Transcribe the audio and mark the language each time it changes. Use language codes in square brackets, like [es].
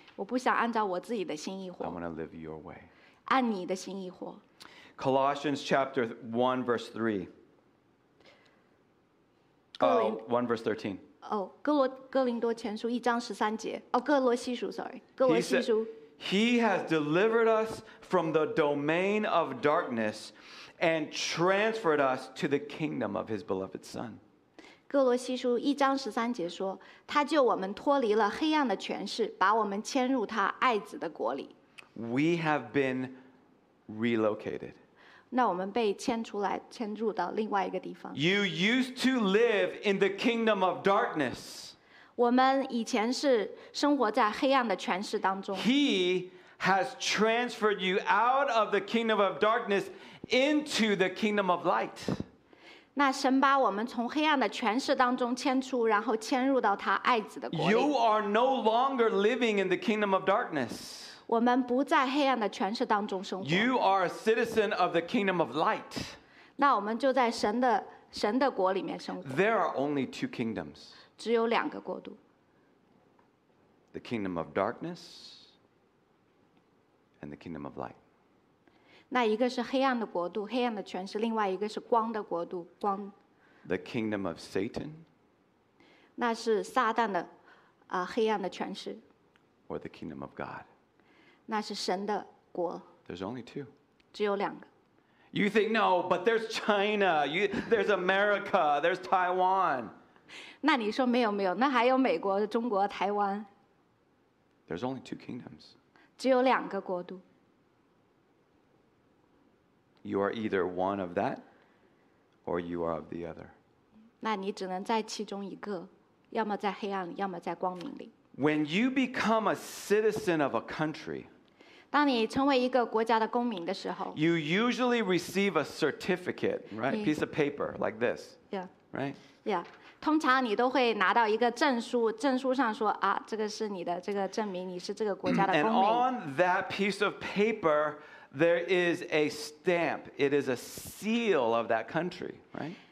[zh] 我不想按照我自己的心意活。 [en] I want to live your way. [zh] 按你的心意活。 [en] Colossians chapter 1 verse 3. 1 verse 13. [zh] 哥林多前书一章十三节。哥罗西书 ，sorry， 哥罗西书。 [en] He has delivered us from the domain of darkness. And transferred us to the kingdom of his beloved son. [zh] 哥罗西书一章十三节说，他救我们脱离了黑暗的权势，把我们迁入他爱子的国里。 [en] We have been relocated. [zh] 那我们被迁出来，迁入到另外一个地方。 [en] You used to live in the kingdom of darkness. [zh] 我们以前是生活在黑暗的权势当中。 [en] He has transferred you out of the kingdom of darkness. Into the kingdom of light. [zh] 那神把我们从黑暗的权势当中迁出，然后迁入到他爱子的国里。 [en] You are no longer living in the kingdom of darkness. [zh] 我们不在黑暗的权势当中生活。 [en] You are a citizen of the kingdom of light. [zh] 那我们就在神的国里面生活。 [en] There are only two kingdoms. [zh] 只有两个国度。 [en] The kingdom of darkness and the kingdom of light. [zh] 那一个是黑暗的国度，黑暗的权势；另外一个是光的国度，光。 [en] The kingdom of Satan. [zh] 那是撒旦的，黑暗的权势。 [en] Or the kingdom of God. [zh] 那是神的国。 [en] There's only two. [zh] 只有两个。 [en] You think no, but there's China. There's America. There's Taiwan. [zh] 那你说没有没有，那还有美国、中国、台湾。 [en] There's only two kingdoms. [zh] 只有两个国度。 [en] You are either one of that, or you are of the other. [zh] 那你只能在其中一个，要么在黑暗，要么在光明里。 [en] When you become a citizen of a country, [zh] 当你成为一个国家的公民的时候 [en] ，you usually receive a certificate, right? Piece of paper like this. Yeah. Right. Yeah. [zh] 通常你都会拿到一个证书，证书上说啊，这个是你的这个证明，你是这个国家的公民。 [en] And on that piece of paper. There is a stamp. It is a seal of that country, right?